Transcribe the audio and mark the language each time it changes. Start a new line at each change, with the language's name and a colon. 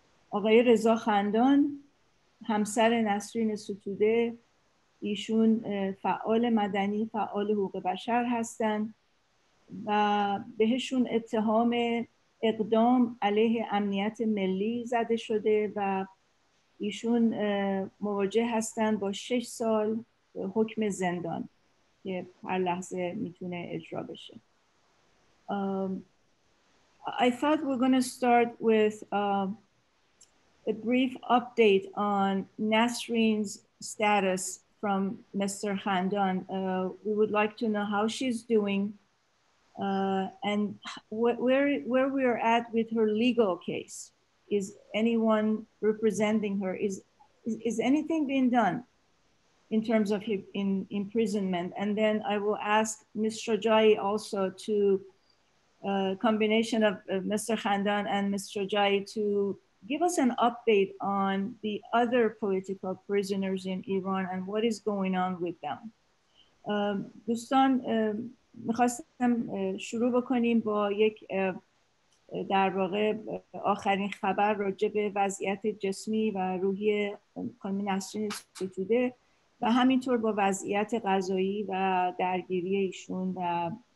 Persian: آقای رضا خندان همسر نسرین ستوده، ایشون فعال مدنی، فعال حقوق بشر هستند و بهشون اتهام اقدام علیه امنیت ملی زده شده و ایشون مواجه هستند با 6 سال حکم زندان که هر لحظه میتونه اجرا بشه.
English: I thought we're going to start with a brief update on Nasrin's status from Mr. Khandan. We would like to know how she's doing. And where we are at with her legal case? Is anyone representing her? Is anything being done? in terms of in imprisonment. And then I will ask Ms. Shojaee also to, combination of Mr. Khandan and Ms. Shojaee to give us an update on the other political prisoners in Iran and what is going on with them.
Persian: دوستان میخواستم شروع بکنیم با یک در واقع آخرین خبر راجع به وضعیت جسمی و روحی خانم نسرین ستوده و همینطور با وضعیت قضایی و درگیری ایشون و